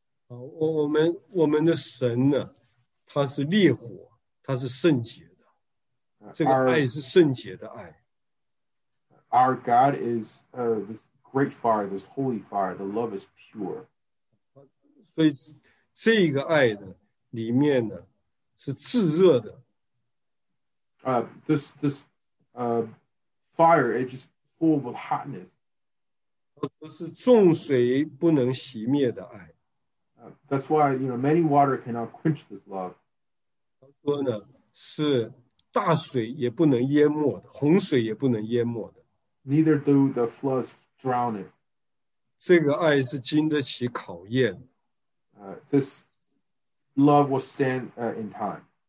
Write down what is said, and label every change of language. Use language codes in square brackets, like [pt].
[zh] 我们的神呢, 它是烈火, 它是圣洁的。这个爱是圣洁的爱。 [en] Our God is this great fire, this holy fire. The love is pure. [zh] 所以这个爱的里面呢, 是炙热的。 [en] This fire is just full of hotness. [zh] 是众水不能熄灭的爱。 [en] That's why, you know, many water cannot quench this love. [zh] 说呢, 是大水也不能淹没的, 洪水也不能淹没的。 [en] Neither do the floods drown it. [zh] 这个爱是经得起考验。 [en] This love will stand in time.